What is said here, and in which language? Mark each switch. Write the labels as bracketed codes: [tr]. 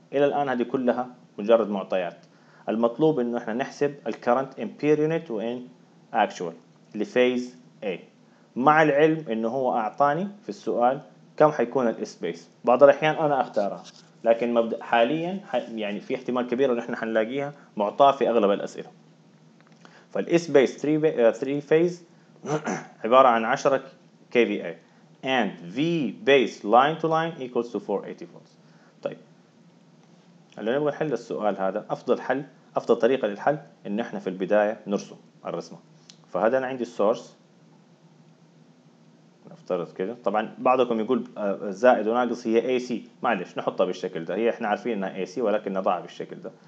[ar] إلى الآن هذه كلها مجرد معطيات. المطلوب إنه إحنا نحسب ال [en] current in peer unit [ar] و [en] in actual [ar] لفيز A, مع العلم إنه هو أعطاني في السؤال كم حيكون الاسبيس. بعض الأحيان أنا أختارها, لكن مبدأ حاليا يعني في احتمال كبير إن إحنا حنلاقيها معطاة في أغلب الأسئلة. [en] فالاسبيس 3 phase [ar] عبارة عن [en] 10 kVA and V base line to line equals to 480 volts. [ar] طيب اللي نبغى نحل السؤال هذا, أفضل حل, أفضل طريقة للحل إن إحنا في البداية نرسم الرسمة. فهذا أنا عندي السورس, نفترض كده. طبعا بعضكم يقول زائد وناقص هي AC, معلش نحطها بالشكل ده, هي إحنا عارفين إنها AC ولكن نضعها بالشكل ده.